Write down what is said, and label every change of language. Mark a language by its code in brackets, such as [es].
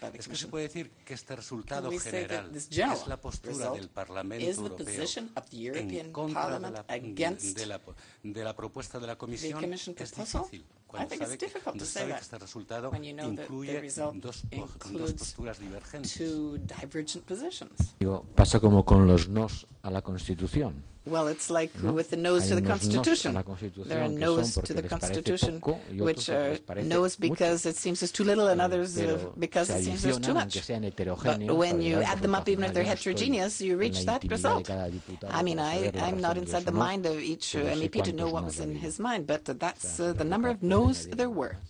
[es] ¿Es que se puede decir que este resultado general es la postura del Parlamento Europeo en contra de la propuesta de la comisión? Es difícil. [en] I think it's difficult to say that when you know that the result includes two divergent positions. [es] Pasa como con los nos a la Constitución. [en] Well, it's like with the nos to the Constitution. There are nos to the Constitution, which are nos because it seems there's too little, and others because it seems there's too much. But when you add them up, even if they're heterogeneous, you reach that result. I mean, I'm not inside the mind of each MEP to know what was in his mind, but that's the number of nos there were.